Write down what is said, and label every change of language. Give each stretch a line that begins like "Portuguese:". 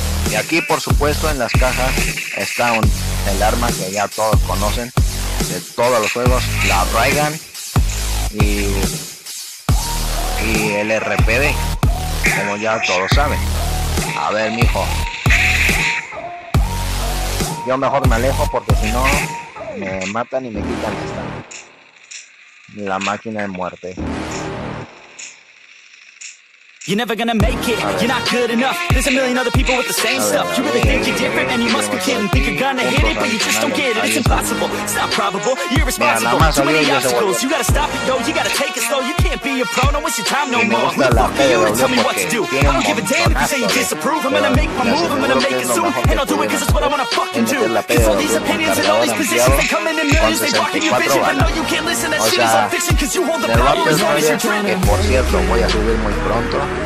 Spanish: Y aquí, por supuesto, en las cajas está el arma que ya todos conocen de todos los juegos, la Raygun y el RPD, como ya todos saben. A ver, mijo, yo mejor me alejo porque si no me matan y me quitan esta, la máquina de muerte.
English: You're never gonna make it, you're not good enough. There's a million other people with the same stuff. You really think you're different and you must be kidding. Think you're gonna hit it, but you just don't get it. It's impossible, it's not probable, you're irresponsible. Too many obstacles, you gotta stop it, yo. You gotta take it slow, you can't be a pro. No, it's your time no more. Who the fuck are you to tell me what to do? I don't give a damn if you say you disapprove. I'm gonna make my move, I'm gonna make it soon. And I'll do it cause it's what I wanna fucking do. Cause all these opinions and all these positions, they come in millions, they block in your vision. I know you can't listen, that shit is all fiction. Cause you hold the power as long as you're dreaming.
Spanish: Por cierto, voy a subir muy pronto.